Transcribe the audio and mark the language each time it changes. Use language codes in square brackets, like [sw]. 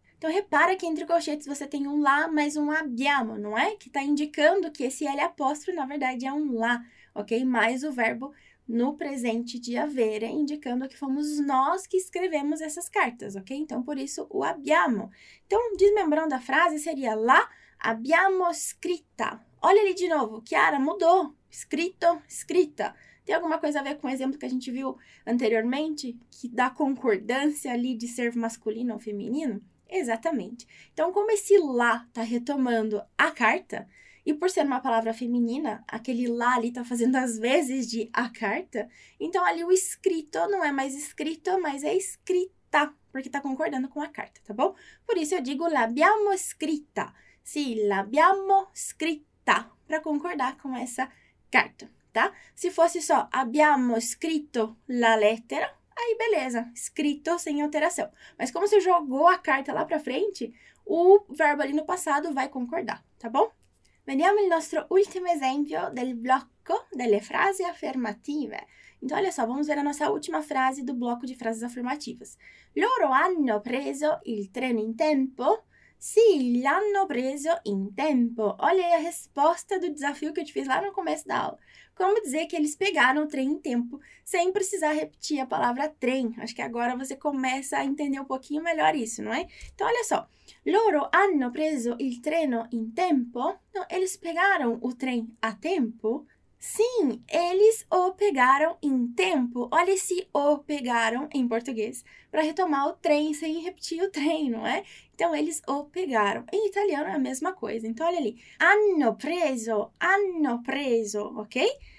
[pt] Então repara que entre colchetes você tem um la mais um abbiamo, não é? Que está indicando que esse L apóstrofo na verdade é um la, ok? Mais o verbo no presente de avere, indicando que fomos nós que escrevemos essas cartas, ok? Então, por isso, o abbiamo. Então, desmembrando a frase, seria [it] la abbiamo scritta. [pt] Olha ali de novo, Chiara, mudou. Scritto, scritta. Tem alguma coisa a ver com o exemplo que a gente viu anteriormente, que dá concordância ali de ser masculino ou feminino? Exatamente. Então, como esse la está retomando a carta. E por ser uma palavra feminina, aquele lá ali está fazendo as vezes de a carta. Então, ali o escrito não é mais escrito, mas é escrita. perché tá concordando com a carta, tá bom? Por isso eu digo [it] l'abbiamo scritta. [pt] Sim, [it] l'abbiamo scritta, [pt] para concordar com essa carta, tá? Se fosse só [it] abbiamo scritto la lettera, [pt] aí beleza, scritto sem alteração. Mas como você jogou a carta lá para frente, o verbo ali no passado vai concordar, tá bom? [it] Vediamo il nostro ultimo esempio del blocco delle frasi affermative. [pt] Então, olha só, vamos ver a nossa última frase do bloco de frases affermativas. [it] Loro hanno preso il treno in tempo? Sì, l'hanno preso in tempo. [pt] Olha aí a resposta do desafio que eu te fiz lá no começo da aula. Como dizer que eles pegaram o trem em tempo sem precisar repetir a palavra trem? Acho que agora você começa a entender um pouquinho melhor isso, não é? Então, olha só. [it] Loro hanno preso il treno in tempo? [pt] Não, eles pegaram o trem a tempo? Sim, eles o pegaram em tempo. Olha esse o pegaram em português para retomar o trem sem repetir o trem, não é? Então, eles o pegaram. Em italiano é a mesma coisa. Então, olha ali. [it] Hanno preso, ok?